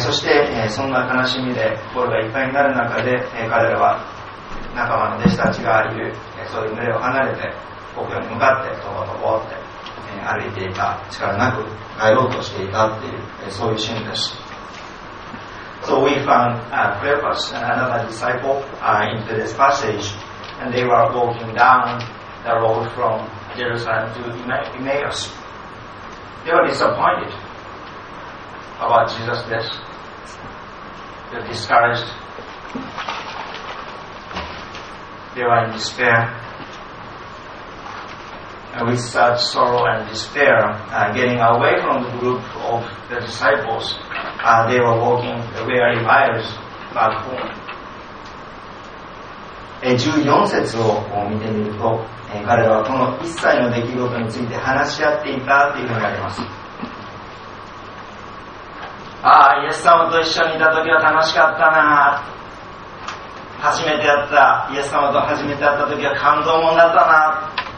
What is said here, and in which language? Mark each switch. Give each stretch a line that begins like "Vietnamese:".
Japanese: そして、そんな悲しみで心がいっぱいになる中で、彼らは仲間の弟子たちがいる、そういう群れを離れて故郷に向かってとぼとぼって歩いていた、力なく帰ろうとしていたっていう、そういうシーンです。
English: So we found Cleopas and another disciple into this passage, and they were walking down the road from Jerusalem to Emmaus. They were disappointed about Jesus' death. They were discouraged. They were in despair. And with such sorrow and despair, getting away from the group of the disciples, they were walking the weary miles back home.
Japanese: 14節を見てみると、彼はこの一切の出来事について話し合っていたというふうにあります。ああ、イエス様と一緒にいた時は楽しかったな。初めて会った、イエス様と初めて会った時は感動もんだったな。